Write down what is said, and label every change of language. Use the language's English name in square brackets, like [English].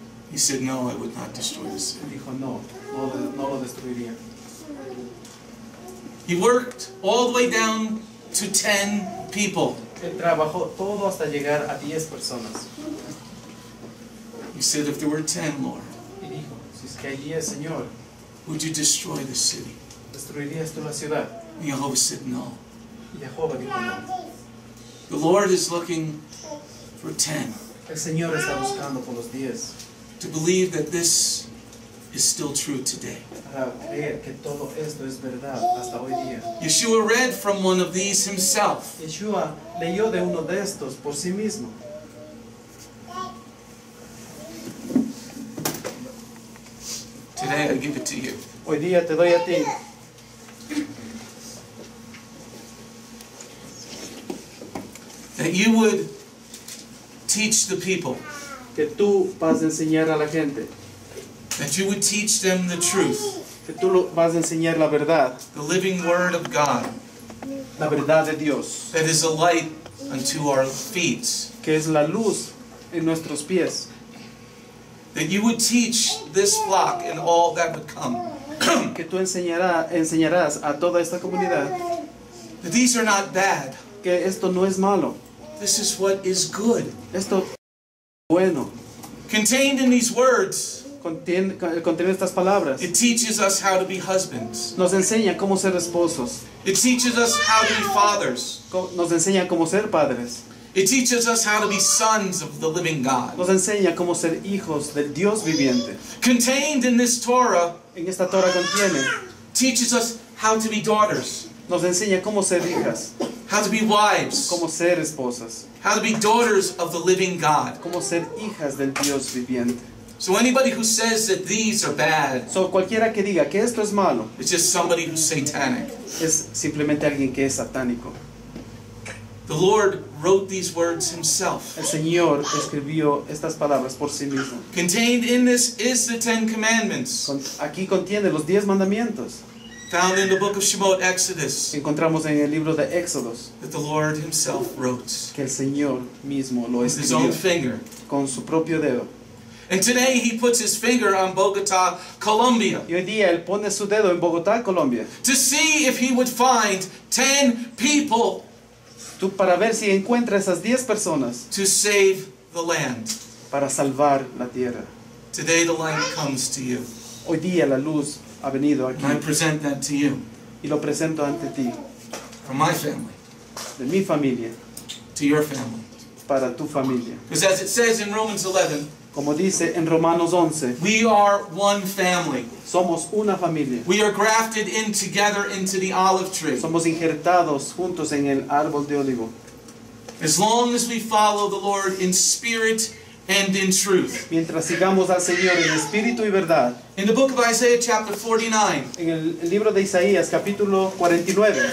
[English] He said, no, I would not destroy the city. [Spanish] Dijo, no lo destruiría. [English] He worked all the way down to 10 people. [Spanish] Él trabajó todo hasta llegar a 10 personas. [English] He said, if there were 10, Lord, [Spanish] si es que hay 10, Señor, [English] would you destroy the city? [Spanish] ¿Destruirías tú la ciudad? [English] And Jehovah said, no. [Spanish] Jehovah dijo, no. [English] The Lord is looking for 10. [Spanish] El Señor está buscando por los 10. [English] To believe that this is still true today. [Spanish] Para creer que todo esto es verdad hasta hoy día. [English] Yeshua read from one of these himself. [Spanish] Yeshua leyó de uno de estos por sí mismo. [English] Today I give it to you. [Spanish] Hoy día te doy a ti. [English] That you would teach the people. [Spanish] Que tú vas a enseñar a la gente. [English] That you would teach them the truth. [Spanish] Que tú vas a enseñar la verdad. [English] The living word of God. [Spanish] La verdad de Dios. [English] That is a light unto our feet. [Spanish] Que es la luz en nuestros pies. [English] That you would teach this flock and all that would come. [Spanish] Que tú enseñarás a toda esta comunidad. [English] That these are not bad. [Spanish] Que esto no es malo. [English] This is what is good. [Spanish] Esto es bueno. [English] Contained in these words. [Spanish] Contiene estas palabras. [English] It teaches us how to be husbands. [Spanish] Nos enseña cómo ser esposos. [English] It teaches us how to be fathers. [Spanish] Nos enseña cómo ser padres. [English] It teaches us how to be sons of the living God. [Spanish] Nos enseña cómo ser hijos del Dios viviente. [English] Contained in this Torah, [Spanish] en esta Torah contiene, [English] teaches us how to be daughters. [Spanish] Nos enseña cómo ser hijas. [English] How to be wives. [Spanish] Cómo ser esposas. [English] How to be daughters of the living God. [Spanish] Cómo ser hijas del Dios viviente. [English] So anybody who says that these are bad, [Spanish] so cualquiera que diga que esto es malo, [English] it's just somebody who's satanic. [Spanish] Es simplemente alguien que es satánico. [English] The Lord wrote these words himself. [Spanish] El Señor escribió estas palabras por sí mismo. [English] Contained in this is the Ten Commandments. [Spanish] Aquí contiene los 10 mandamientos. [English] Found in the book of Shemot, Exodus. [Spanish] Encontramos en el libro de Éxodos. [English] That the Lord himself wrote. [Spanish] Que el Señor mismo lo escribió. [English] With his own finger. [Spanish] Con su propio dedo. [English] And today he puts his finger on Bogotá, Colombia. [Spanish] Y hoy día él pone su dedo en Bogotá, Colombia. [English] To see if he would find 10 people. [Spanish] Para ver si encuentra esas 10 personas. [English] To save the land. [Spanish] Para salvar la tierra. [English] Today the light comes to you. [Spanish] Hoy día la luz ha venido aquí. [English] And I present that to you. [Spanish] Y lo presento ante ti. [English] From my family. [Spanish] De mi familia. [English] To your family. [Spanish] para tu familia. [English] Because as it says in Romans 11, [Spanish] como dice en Romanos 11, [English] we are one family. [Spanish] Somos una familia. [English] We are grafted in together into the olive tree. [Spanish] Somos injertados juntos en el árbol de olivo. [English] As long as we follow the Lord in spirit and in truth. [Spanish] Mientras sigamos al Señor en espíritu y verdad. [English] In the book of Isaiah chapter 49, [Spanish] en el libro de Isaías capítulo 49,